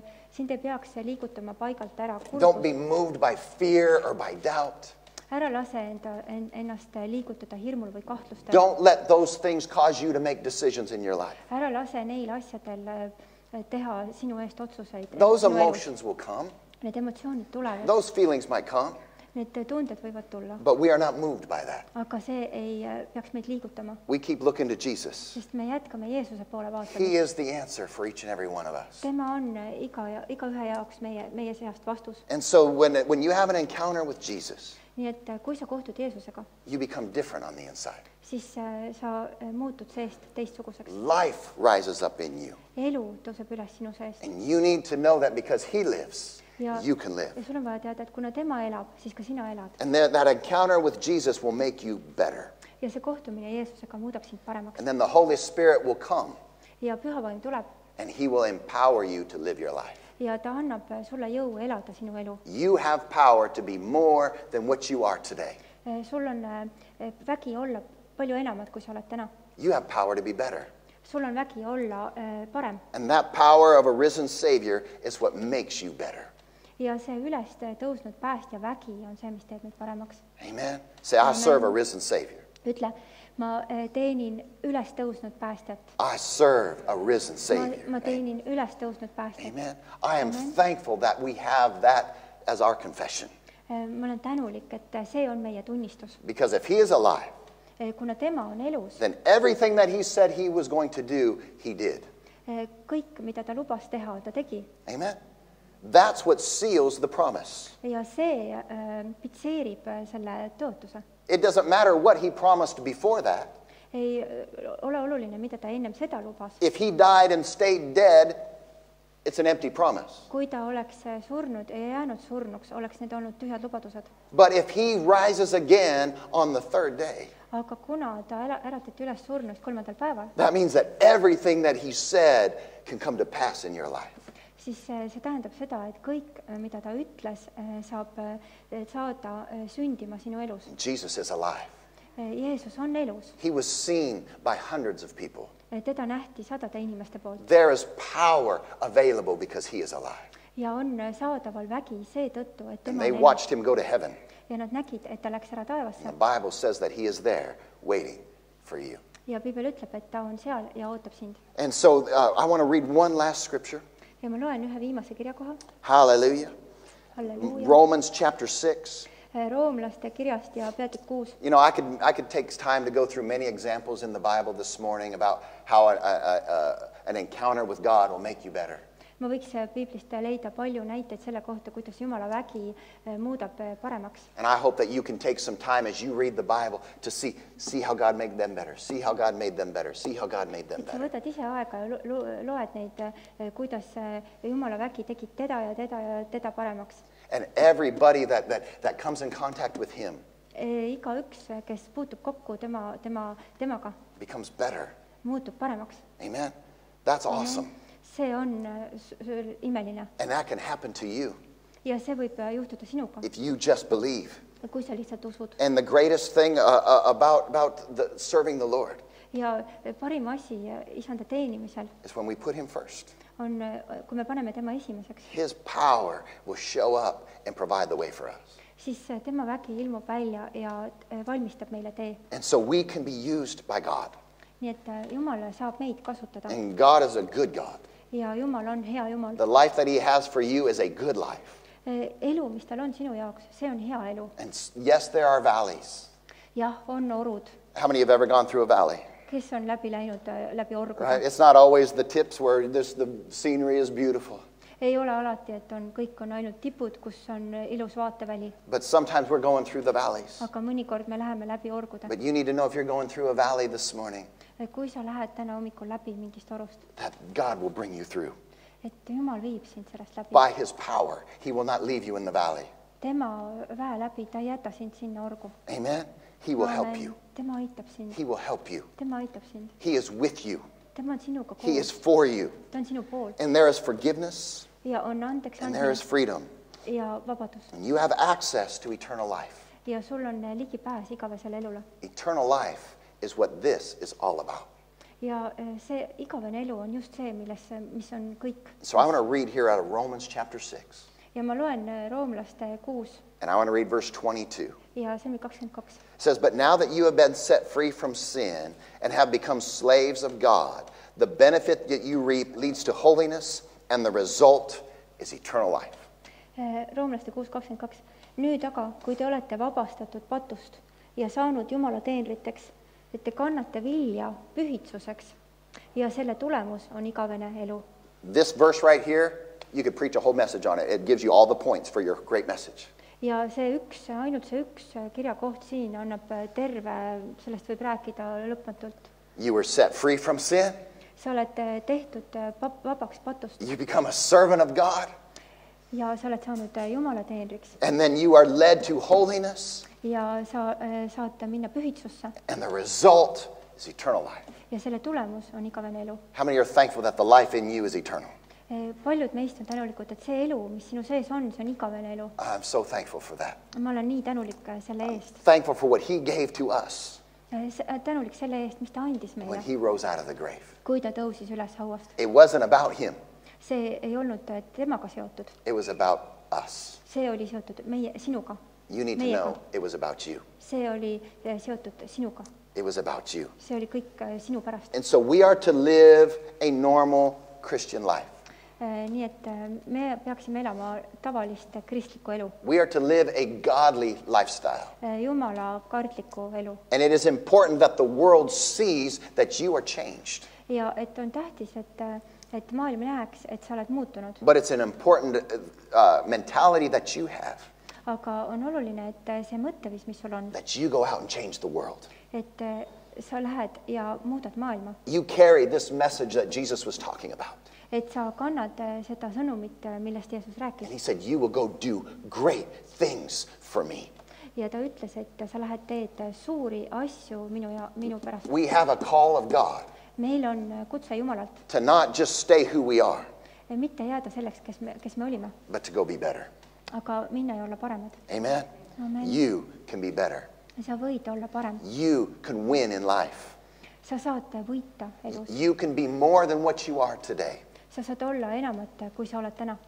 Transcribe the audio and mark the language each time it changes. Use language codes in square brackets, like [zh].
[et] Sind ei peaks liigutama paigalt ära. [en] Don't be moved by fear or by doubt. [et] Ära lase ennast liigutada hirmul või kahtlustel. [en] Don't let those things cause you to make decisions in your life. [et] Ära lase neil asjadel teha sinu eest otsuseid. [en] Those emotions will come. [et] Need emotsioonid tulevad. [en] Those feelings might come. [et] Need tunded võivad tulla. [en] But we are not moved by that. [et] Aga see ei peaks meid liigutama. [en] We keep looking to Jesus. [et] Sest me jätkame Jeesuse poole vaatame. [en] He is the answer for each and every one of us. [et] Tema on iga ühe jaoks meie seast vastus. [en] And so when you have an encounter with Jesus, [et] nii et kui sa kohtud Jeesusega, [en] you become different on the inside. [et] Siis sa muutud seest teistsuguseks. [en] Life rises up in you. [et] Elu tõuseb üles sinu seest. [en] And you need to know that because he lives, [et] ja [en] you can live. [et] Ja sul on vaja teada, et kuna tema elab, siis ka sina elad. [en] And that encounter with Jesus will make you better. [et] Ja see kohtumine Jeesusega muudab sind paremaks. [en] And then the Holy Spirit will come. [et] Ja püha vaim tuleb. [en] And he will empower you to live your life. [et] Ja ta annab sulle jõu elada sinu elu. [en] You have power to be more than what you are today. [et] Sul on vägi olla palju enamad, kui sa oled täna. [en] You have power to be better. [et] Sul on vägi olla parem. [en] And that power of a risen Savior is what makes you better. [et] Ja see ülest tõusnud pääst ja vägi on see, mis teeb meid paremaks. [en] Amen. Say, I serve a risen Savior. [et] Ütle, ma teenin ülestõusnud päästjat. [en] I serve a risen Savior. [et] Ma teenin ülestõusnud päästjat. [en] Amen. I am thankful that we have that as our confession. [et] Ma olen tänulik, et see on meie tunnistus. [en] Because if he is alive, [et] kuna tema on elus, [en] then everything that he said he was going to do, he did. [et] Kõik, mida ta lubas teha, ta tegi. [en] Amen. That's what seals the promise. [et] Ja see pitseerib selle tõotuse. [en] It doesn't matter what he promised before that. [et] ei ole oluline, mida ta ennem seda lubas. [en] If he died and stayed dead, it's an empty promise. [et] Kui ta oleks surnud ja jäänud surnuks, oleks need olnud tühjad lubadused. [en] But if he rises again on the third day, [et] aga kuna ta äratati üles surnust kolmandal päeval, [en] that means that everything that he said can come to pass in your life. [et] Siis see tähendab seda, et kõik, mida ta ütles, saab saada sündima sinu elus. [en] Jesus is alive. [et] Jeesus on elus. [en] He was seen by hundreds of people. [et] Teda nähti sadade inimeste poolt. [en] There is power available because he is alive. [et] Ja on saadaval vägi see tõttu, et tema [en] they watched him go to heaven. [et] Ja nad nägid, et ta läks ära taevasse. [en] The Bible says that he is there waiting for you. [et] Ja Biibel ütleb, et ta on seal ja ootab sind. [en] And so I want to read one last scripture. [et] Ja ma loen ühe viimase kirjakoha. [en] Hallelujah. [et] Hallelujah. [en] Romans chapter 6. [et] Roomlaste kirjast ja peatükk 6. [en] You know, I could take time to go through many examples in the Bible this morning about how an encounter with God will make you better. [et] Ma võiks Biiblist leida palju näiteid selle kohta, kuidas Jumala vägi muudab paremaks. [en] And I hope that you can take some time as you read the Bible to see how God made them better. See how God made them better. See how God made them better. [et] Et sa võtad ise aega ja loed neid, kuidas Jumala vägi tegid teda ja teda ja teda paremaks. [en] And everybody that comes in contact with him [et] iga üks, kes puutub kokku temaga [en] becomes better. [et] Muutub paremaks. [en] Amen. That's awesome. [et] See on imeline. [en] And that can happen to you. [et] Ja see võib juhtuda sinuga. [en] If you just believe. [et] Kui sa lihtsalt usud. [en] And the greatest thing about the serving the Lord. [et] Ja parim asi isanda teenimisel. [en] Is when we put him first. [et] On kui me paneme tema esimeseks. [en] His power will show up and provide the way for us. [et] Siis tema vägi ilmub välja ja valmistab meile tee. [en] And so we can be used by God. [et] Nii et Jumal saab meid kasutada. [en] And God is a good God. [et] Ja Jumal on hea Jumal. [en] The life that he has for you is a good life. [et] Elu, mis tal on sinu jaoks, see on hea elu. [en] And yes, there are valleys. [et] Ja, on orud. [en] How many have ever gone through a valley? [et] Kes on läbi läinud, läbi orgu? [en] Right? It's not always the tips where the scenery is beautiful. [et] Ei ole alati, et on kõik on ainult tipud, kus on ilus vaateväli. [en] But sometimes we're going through the valleys. [et] Aga mõnikord me läheme läbi orguda. [en] But you need to know if you're going through a valley this morning. [et] Kui sa lähed täna hommikul läbi mingist orust. [en] That God will bring you through. [et] Et Jumal viib sind sellest läbi. [en] By his power, he will not leave you in the valley. [et] Tema väe läbi, ta ei jäta sind sinna orgu. [en] Amen. He will help you. [et] Tema aitab sind. [en] He will help you. [et] Tema aitab sind. [en] He is with you. [et] Tema on sinuga koos. [en] He is for you. [et] Ta on sinu poolt. [en] And there is forgiveness. [et] Ja on andeks andmine. [en] There is freedom. [et] Ja vabadus. [en] And you have access to eternal life. [et] Ja sul on ligi pääs igavesele elule. [en] Eternal life is what this is all about. [et] Ja see igavene elu on just see, milles, mis on kõik. [en] So I want to read here out of Romans chapter 6. [et] Ja ma loen roomlaste 6. [en] And I want to read verse 22. [et] Ja see on 22. [en] It says, but now that you have been set free from sin and have become slaves of God, the benefit that you reap leads to holiness and the result is eternal life. [et] Roomlaste 6:22. Nüüd aga, kui te olete vabastatud patust ja saanud Jumala teenriteks, et te kannate vilja pühitsuseks ja selle tulemus on igavene elu. [en] This verse right here, you could preach a whole message on it. It gives you all the points for your great message. [et] Ja see üks, ainult see üks kirjakoht siin annab terve, sellest võib rääkida lõpmatult. [en] You were set free from sin. [et] Sa oled tehtud vabaks patust. [en] You become a servant of God. [et] Ja sa oled saanud Jumala teenriks. [en] And then you are led to holiness. [et] Ja sa saad minna pühitsusse. [en] And the result is eternal life. [et] Ja selle tulemus on igavene elu. [en] How many are thankful that the life in you is eternal? [et] Paljud meist on tänulikud, et see elu, mis sinu sees on, see on igavene elu. [en] I'm so thankful for that. [et] Ma olen nii tänulik selle eest. [en] Thankful for what he gave to us. [et] Tänulik selle eest, mis ta andis meile. [en] When he rose out of the grave. [et] Kui ta tõusis üles hauast. [en] It wasn't about him. [et] See ei olnud temaga seotud. [en] It was about us. [et] See oli seotud meie sinuga. [en] You need [et] meiega. [en] To know it was about you. [et] See oli seotud sinuga. [en] It was about you. [et] See oli kõik sinu pärast. [en] And so we are to live a normal Christian life. [et] Nii et me peaksime elama tavalist kristliku elu. [en] We are to live a godly lifestyle. [et] Jumala kartliku elu. [en] And it is important that the world sees that you are changed. [et] Ja et on tähtis, et maailm näeks, et sa oled muutunud. [en] But it's an important mentality that you have. [et] Aga on oluline, et see mõttevis, mis sul on. [en] That you go out and change the world. [et] Et sa lähed ja muudad maailma. [en] You carry this message that Jesus was talking about. [et] Et sa kannad seda sõnumit, millest Jeesus rääkis. [en] And he said, you will go do great things for me. [et] Ja ta ütles, et sa lähed teed suuri asju minu ja minu pärast. [en] We have a call of God. [et] Meil on kutse Jumalalt. [en] To not just stay who we are. [et] Ja mitte jääda selleks, kes me olime. [en] But to go be better. [et] Aga minna ja olla paremad. [en] Amen. [et] Amen. [en] You can be better. [et] Sa võid olla parem. [en] You can win in life. [et] Sa saad võita elus. [en] You can be more than what you are today. [et] Sa saad olla enamat, kui sa oled täna.